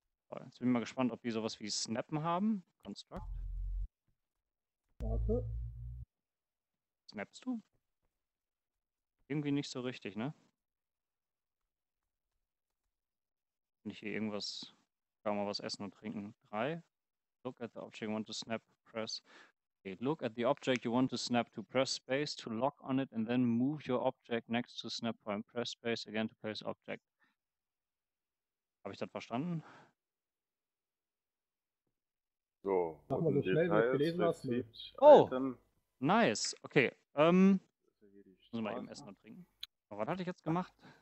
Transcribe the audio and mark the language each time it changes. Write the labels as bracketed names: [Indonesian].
[German] So, jetzt bin ich mal gespannt, ob die sowas wie Snappen haben. [English] Construct. [German] Warte. Snappst du? Irgendwie nicht so richtig, ne? Kann ich hier irgendwas. Kann man mal was essen und trinken? 3. [English] Look at the object you want to snap. Press. Okay, look at the object you want to snap to press space to lock on it and then move your object next to snap point. Press space again to place object. [German] Habe ich das verstanden? So. Mach mal so schnell, wie du gelesen hast. [English] Oh! Nice! Okay. [German] Muss ich mal eben essen und trinken. Aber was hatte ich jetzt gemacht?